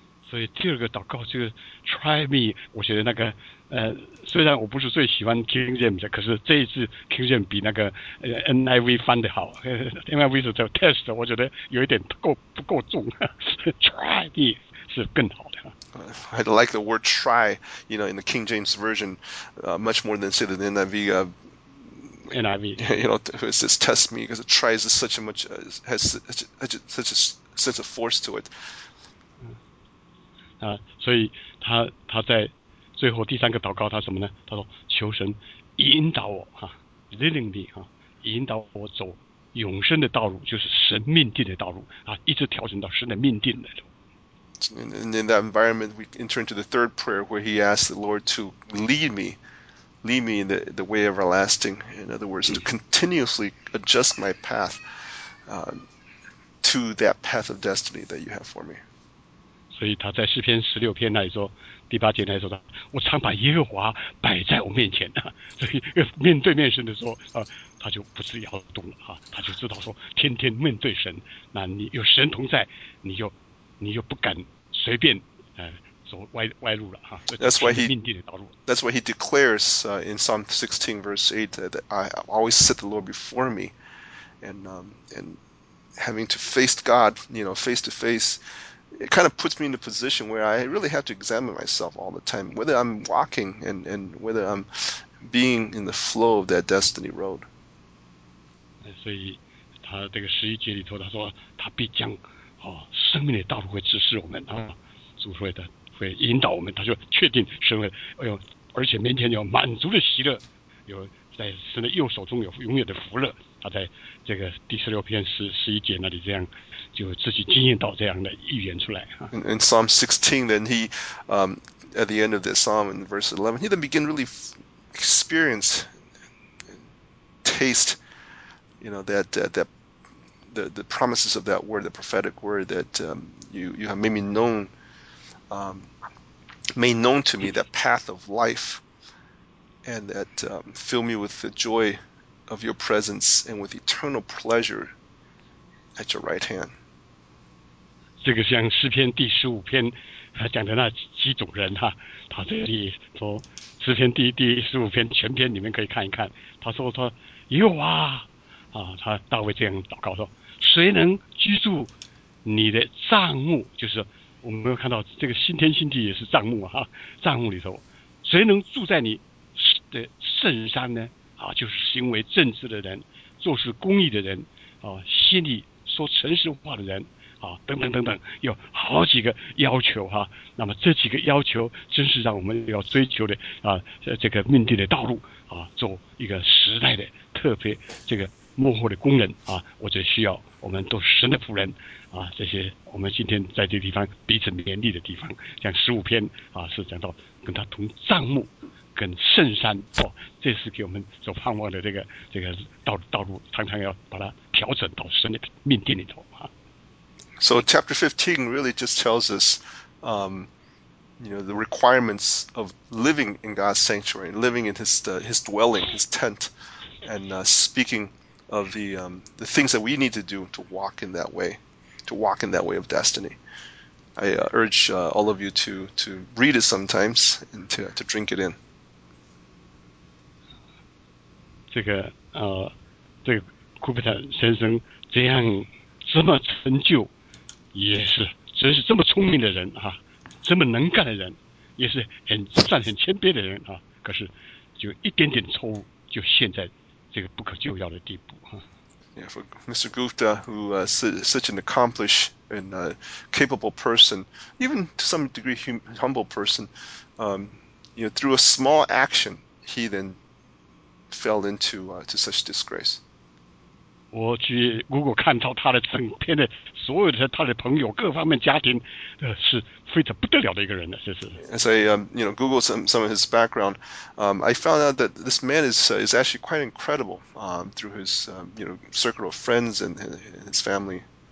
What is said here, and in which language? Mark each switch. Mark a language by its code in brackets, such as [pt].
[zh] 所以第二个祷告就是 [en] try me [zh] 我觉得那个虽然我不是最喜欢 King James 可是这一次 King James 比那个NIV 翻的好 NIV 是叫 test 我觉得有一点不够重 [en] try me [zh] 是更好的 [en] I like the word try you know in the King James version much more than say the NIV NIV you know it says test me because try is such a much has such a sense of force to it [zh] 所以他在最后第三个祷告他什么呢？他说求神引导我哈 ， [en] leading me [zh] 哈，引导我走永生的道路，就是神命定的道路啊，一直调整到神的命定那种。 [en] And in that environment, we enter into the third prayer where he asks the Lord to lead me in the way everlasting. In other words, to continuously adjust my path to that path of destiny that you have for me. [zh] 所以他在诗篇十六篇那里说，第八节那里说他，我常把耶和华摆在我面前，所以面对面神的时候啊，他就不是摇动了啊，他就知道说天天面对神，那你有神同在，你就。你又不敢随便走 歪路了哈。 [en] That's why he [zh] 命定的道路。 [en] That's why he declares in Psalm 16 verse 8 that I always set the Lord before me, and having to face God, you know, face to face, it kind of puts me in a position where I really have to examine myself all the time, whether I'm walking and whether I'm being in the flow of that destiny road. [zh] 所以他这个十一节里头他说他必将。哦，生命的道路会指示我们啊，主会的会引导我们，他就确定神会，哎呦，而且明天有满足的喜乐，有在神的右手中有永远的福乐。他在这个第十六篇十一节那里这样，就自己经验到这样的预言出来啊。 [en] In Psalm 16, then he, at the end of this psalm in verse 11, he then begin really experience, taste, you know that. The promises of that word, the prophetic word that you have made known to me, that path of life, and that fill me with the joy of your presence and with eternal pleasure at your right hand. [zh] 这个像诗篇第十五篇讲的那几种人哈，他这里说诗篇第十五篇全篇你们可以看一看，他说他有啊啊，他大卫这样祷告说。谁能居住你的帐幕，就是我们看到这个新天新地也是帐幕啊，帐幕里头谁能住在你的圣山呢？啊，就是行为正直的人，做事公义的人啊，心里说诚实话的人啊，等等等等，有好几个要求啊。那么这几个要求真是让我们要追求的啊，这个命定的道路啊，做一个时代的特别这个幕后的工人啊，我只需要我们都是神的仆人啊，这些我们今天在这地方彼此勉励的地方，像十五篇啊，是讲到跟他同帐幕，跟圣山哦，这是给我们所盼望的这个道路，常常要把它调整到神的命定里头啊。 [en] So chapter 15 really just tells us, you know, the requirements of living in God's sanctuary, living in his dwelling, his tent, and speaking. Of the things that we need to do to walk in that way of destiny. I urge all of you to read it sometimes and to drink it in. [zh] 这个这个库贝特先生这样这么成就，也是真是这么聪明的人啊，这么能干的人，也是很算很谦卑的人啊。可是就一点点错误，就现在。这个不可救药的地步。 [en] Yeah, for Mr. Gupta, who is such an accomplished and capable person, even to some degree humble person, you know, through a small action, he then fell into to such disgrace. [zh] 我去 Google 看到他的整篇的所有的他的朋友各方面家庭，是非常不得了的一个人呢，就是。 [en] As I you know, Google some of his background, I found out that this man is actually quite incredible through his you know circle of friends and his family.